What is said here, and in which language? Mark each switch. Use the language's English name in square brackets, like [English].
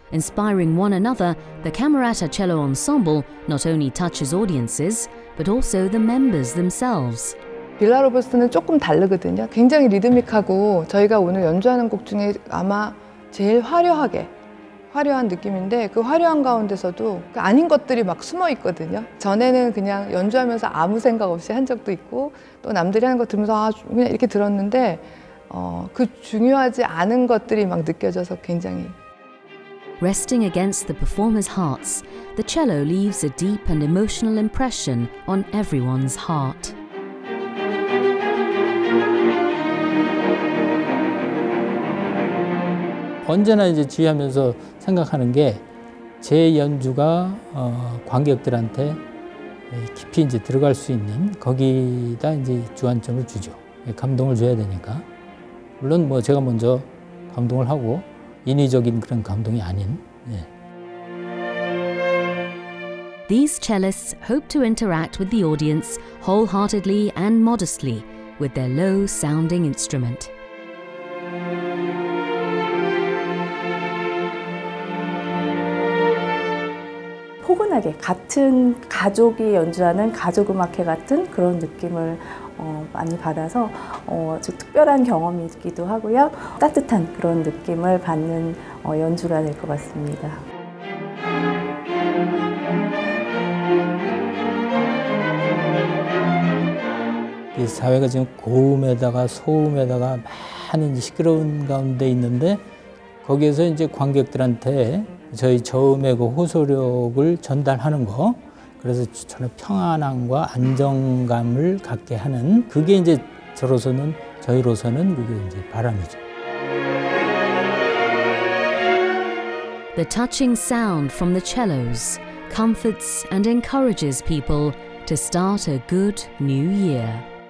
[English] Inspiring one another, the Camerata Cello Ensemble not only touches audiences, but also the members themselves. [Korean] Villa-Lobos는 조금 다르거든요. 굉장히 리드믹하고 저희가 오늘 연주하는 곡 중에 아마 제일 화려하게 화려한 느낌인데 그 화려한 가운데서도 아닌 것들이 막 숨어 있거든요. 전에는 그냥 연주하면서 아무 생각 없이 한 적도 있고 또 남들이 하는 거 들으면서 그냥 이렇게 들었는데 그 중요하지 않은 것들이 막 느껴져서 굉장히 [English] Resting against the performers' hearts, the cello leaves a deep and emotional impression on everyone's heart. [Korean] 언제나 이제 지휘하면서 생각하는 게 제 연주가 관객들한테 깊이 이제 들어갈 수 있는 거기다 이제 주안점을 주죠. 감동을 줘야 되니까. 물론 뭐 제가 먼저 감동을 하고 인위적인 그런 감동이 아닌. 예. [English] These cellists hope to interact with the audience wholeheartedly and modestly with their low sounding instrument. [Korean] 포근하게 같은 가족이 연주하는 가족 음악회 같은 그런 느낌을 많이 받아서 즉 특별한 경험이기도 하고요. 따뜻한 그런 느낌을 받는 연주가 될 것 같습니다. [English] The [Korean] 사회가 지금 고음에다가 소음에다가 많이 시끄러운 가운데 있는데 거기에서 이제 관객들한테 저희 저음의 그 호소력을 전달하는 거 그래서 저는 평안함과 안정감을 갖게 하는 그게 이제 저로서는 저희로서는 그게 이제 바람이죠. [English] The touching sound from the cellos comforts and encourages people to start a good new year.